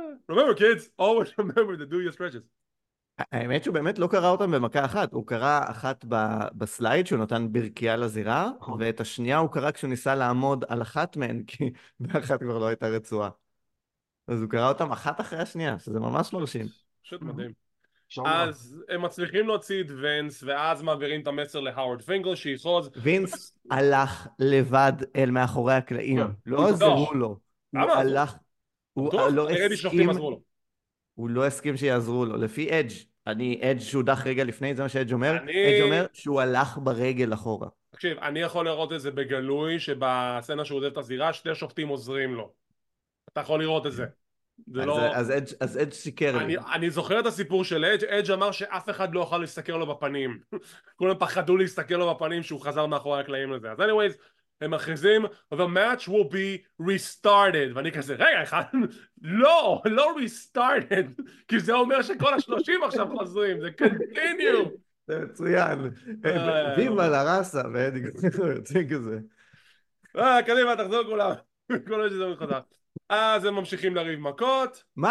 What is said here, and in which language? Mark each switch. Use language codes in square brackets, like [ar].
[en] Remember kids, always remember to do your stretches. [he] האמת שהוא באמת לא קרא אותם במכה אחת, הוא קרא אחת בסלייד שהוא נתן ברכייה לזירה, ואת השנייה הוא קרא כשהוא ניסה לעמוד על אחת מהן, כי באחת כבר לא הייתה רצועה. אז הוא קרא אותם אחת אחרי השנייה, שזה ממש מרשים. פשוט מדהים. אז הם מצליחים להוציא את וינס, ואז מעבירים את המסר להאורד פינגל, שיחוז. וינס הלך לבד אל מאחורי הקלעים, לא עזרו לו. הוא הלך, הוא לא הסכים... הוא לא הסכים שיעזרו לו, לפי אדג' אני אדג' שהודח רגע לפני, זה מה שאדג' אומר אדג' אומר שהוא הלך ברגל אחורה. תקשיב, אני יכול לראות את זה בגלוי שבסצנה שהוא עוזב את הזירה שתי שופטים עוזרים לו, אתה יכול לראות את זה. אז אדג' שיקר לי. אני זוכר את הסיפור של אדג', אדג' אמר שאף אחד לא יוכל להסתכל לו בפנים, כולם פחדו להסתכל לו בפנים שהוא חזר מאחורי הקלעים לזה. [en] אז anyways, [he] הם מכריזים, [en] the match will be restarted. [he] ואני כזה, רגע, אחד, לא restarted. כי זה אומר שכל ה-30 עכשיו חוזרים, זה continue. זה מצוין. ביבה לרסה, ואני רוצה כזה. קדימה, תחזור כולם. כל מה שזה מחזר. אז הם ממשיכים לריב מכות.